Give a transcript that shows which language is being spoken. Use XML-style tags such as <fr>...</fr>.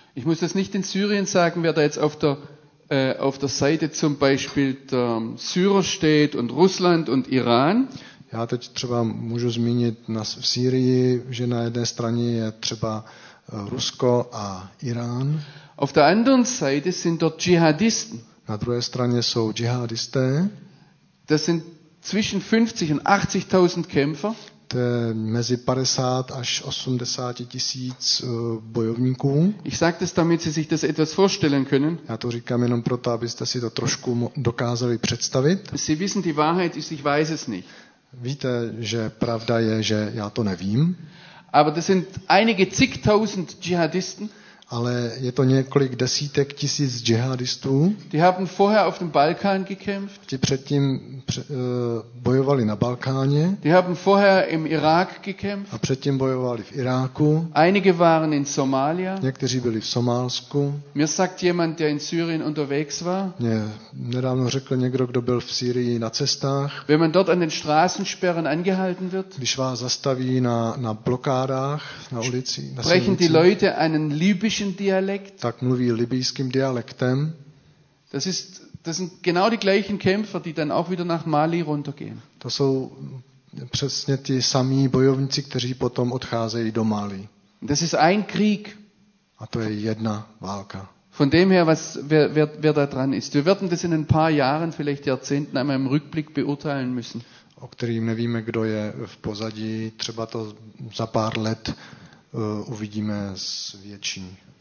<de>Ich muss das nicht in Syrien sagen, wer da jetzt auf der Seite zum Beispiel der Syrer steht und Russland und Iran.</de> <cs>Já teď třeba můžu zmínit v Sýrii, že na jedné straně je třeba Rusko a Irán.</cs> <de>Auf der anderen Seite sind dort Dschihadisten.</de> <cs>Na druhé straně jsou Dschihadisté.</cs> <de>Das sind zwischen 50 und 80.000 Kämpfer.</de> <cs>To je mezi 50 až 80 tisíc bojovníků.</cs> <de>Ich sage das, damit Sie sich das etwas vorstellen können.</de> <cs>Já to říkám jenom proto, abyste si to trošku dokázali představit.</cs> <de>Sie wissen die Wahrheit, ich weiß es nicht.</de> <cs>Víte, že pravda je, že já to nevím.</cs> <de>Aber das sind einige zigtausend Dschihadisten.</de> <cs>Ale je to několik desítek tisíc džihadistů.</cs> <de>Die haben vorher auf dem Balkan gekämpft.</de> <cs>Ti předtím bojovali na Balkáně.</cs> <de>Die haben vorher im Irak gekämpft.</de> <cs>A předtím bojovali v Iráku.</cs> <de>Einige waren in Somalia.</de> <cs>Někteří byli v Somálsku.</cs> <de>Mir sagt jemand, der in Syrien unterwegs war.</de> <cs>Mě nedávno řekl někdo, kdo byl v Syrii na cestách.</cs> <de>Wenn man dort an den Straßensperren angehalten wird.</de> <cs>Když vás zastaví na blokádách, na ulici, na</cs> <de>Sprechen die Leute einen libyschen Dialekt?</de> <cs>Tak mluví libyjským dialektem.</cs> <de>Das sind genau die gleichen Kämpfer, die dann auch wieder nach Mali runtergehen.</de> <cs>To jsou přesně ti samí bojovníci, kteří potom odcházejí do Mali.</cs> <de>Das ist ein Krieg.</de> <cs>A to je jedna válka.</cs> <de>Von dem her, wer da dran ist. Wir werden das in ein paar Jahren, vielleicht Jahrzehnten, einmal im Rückblick beurteilen müssen.</de> <cs>O kterým nevíme, kdo je v pozadí, třeba to za pár let uvidíme s větší</cs>